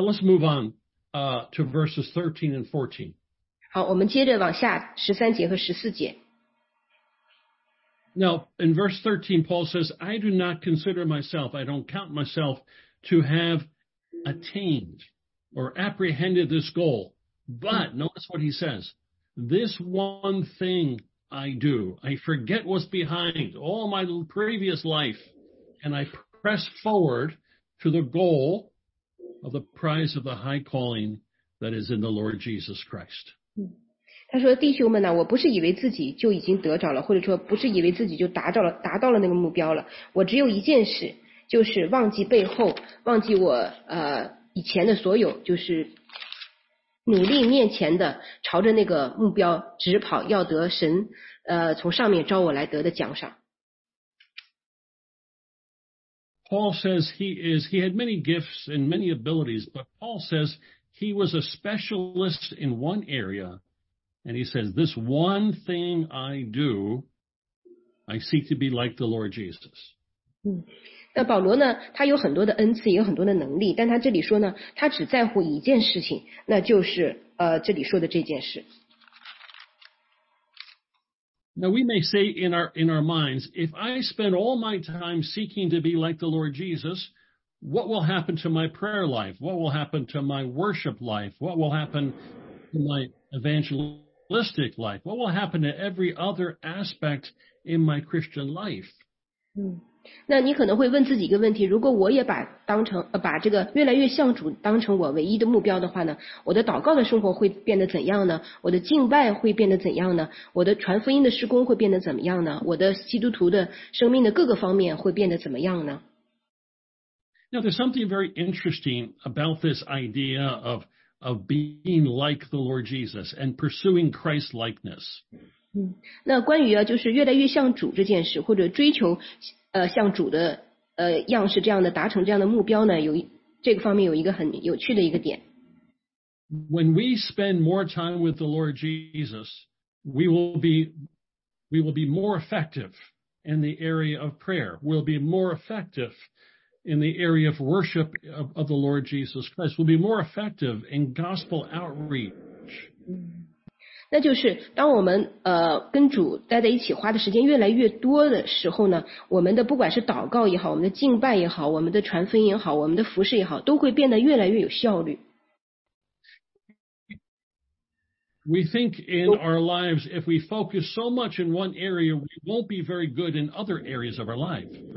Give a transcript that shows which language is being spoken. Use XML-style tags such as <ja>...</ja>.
<en>let's move on to verses 13 and 14.</en> <zh>好，我们接着往下13节和14节。</zh> <en>Now, in verse 13, Paul says, I do not consider myself, I don't count myself to have attained or apprehended this goal. But notice what he says. This one thing I do, I forget what's behind all my previous life, and I press forward to the goal of the prize of the high calling that is in the Lord Jesus Christ.</en> <zh>他说：“弟兄们呢，我不是以为自己就已经得着了，或者说不是以为自己就达到了那个目标了。我只有一件事，就是忘记背后，忘记我以前的所有，就是努力面前的，朝着那个目标直跑，要得神从上面招我来得的奖赏。”</zh> <en>Paul says he had many gifts and many abilities, but Paul says he was a specialist in one area, and he says, this one thing I do, I seek to be like the Lord Jesus.</en> <zh>那保罗呢，他有很多的恩赐，有很多的能力，但他这里说呢，他只在乎一件事情，那就是这里说的这件事。</zh> <en>Now we may say in our minds, if I spend all my time seeking to be like the Lord Jesus, what will happen to my prayer life? What will happen to my worship life? What will happen to my evangelistic life? What will happen to every other aspect in my Christian life?</en> <zh>那你可能会问自己一个问题，如果我也把这个越来越像主当成我唯一的目标的话呢，我的祷告的生活会变得怎样呢？我的敬拜会变得怎样呢？我的传福音的事工会变得怎么样呢？我的基督徒的生命的各个方面会变得怎么样呢？</zh> <en>Now there's something very interesting about this idea of being like the Lord Jesus and pursuing Christ-likeness.</en> <zh>那关于就是越来越像主这件事，或者追求像主的样式这样的达成这样的目标呢，有这个方面有一个很有趣的一个点。</zh> <en>When we spend more time with the Lord Jesus, we will be more effective in the area of prayer. We'll be more effective in the area of worship of the Lord Jesus Christ. We'll be more effective in gospel outreach.</en> <zh>那就是当我们跟主待在一起花的时间越来越多的时候呢，我们的不管是祷告也好，我们的敬拜也好，我们的传福音也好，我们的服事也好，都会变得越来越有效率。</zh> <en>We think in our lives, if we focus so much in one area, we won't be very good in other areas of our life.</en>